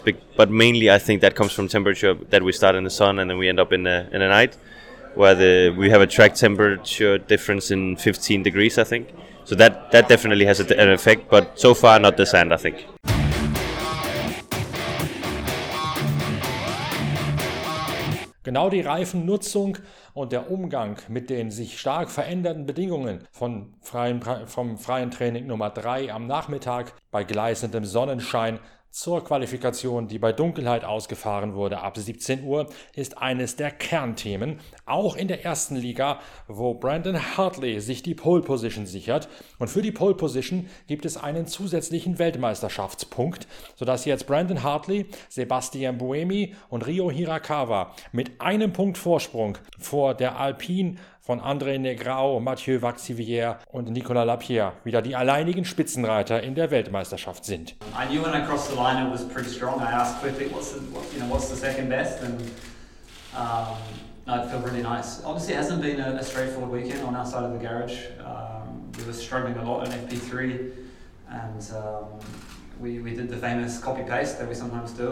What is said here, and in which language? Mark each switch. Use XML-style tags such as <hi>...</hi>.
<en>But mainly, I think that comes from temperature, that we start in the sun and then we end up in the night, where we have a track temperature difference in 15 degrees, I think. So that definitely has an effect, but so far not the sand, I think.</en> <de>Genau die Reifennutzung und der Umgang mit den sich stark verändernden Bedingungen vom freien Training Nummer 3 am Nachmittag bei gleißendem Sonnenschein zur Qualifikation, die bei Dunkelheit ausgefahren wurde ab 17 Uhr, ist eines der Kernthemen, auch in der ersten Liga, wo Brandon Hartley sich die Pole Position sichert. Und für die Pole Position gibt es einen zusätzlichen Weltmeisterschaftspunkt, sodass jetzt Brandon Hartley, Sebastian Buemi und Ryo Hirakawa mit einem Punkt Vorsprung vor der Alpine von André Negrao, Mathieu Vaxivière und Nicolas Lapierre wieder die alleinigen Spitzenreiter in der Weltmeisterschaft sind.</de> <en>I knew when I crossed the line it was pretty strong. I asked quickly, what's the second best? And it felt really nice. Obviously, it hasn't been a straightforward weekend on our side of the garage. We were struggling a lot in FP3, and we did the famous copy paste that we sometimes do.</en>